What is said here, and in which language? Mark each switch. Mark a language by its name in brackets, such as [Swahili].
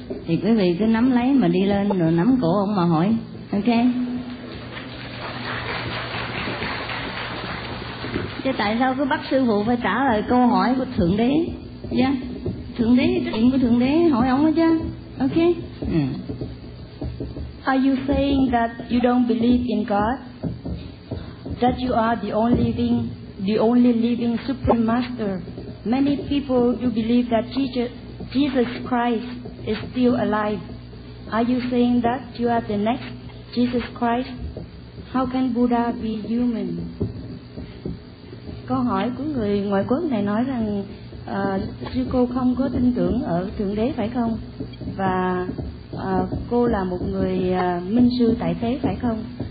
[Vietnamese] Thì quý vị cứ nắm lấy mà đi lên rồi nắm cổ ông mà hỏi. Ok. Chứ tại sao cứ bắt sư phụ phải trả lời câu hỏi của Thượng Đế? Yeah. Thượng Đế, chuyện của Thượng Đế hỏi ông đó chứ. Ok. [English] Are you saying that you don't believe in God? that you are the only living Supreme Master. Many people do believe that Jesus Christ is still alive. Are you saying that you are the next Jesus Christ? How can Buddha be human? [Vietnamese] Câu hỏi của người ngoại quốc này nói rằng sư cô không có tin tưởng ở Thượng Đế phải không? Và cô là một người minh sư tại thế phải không?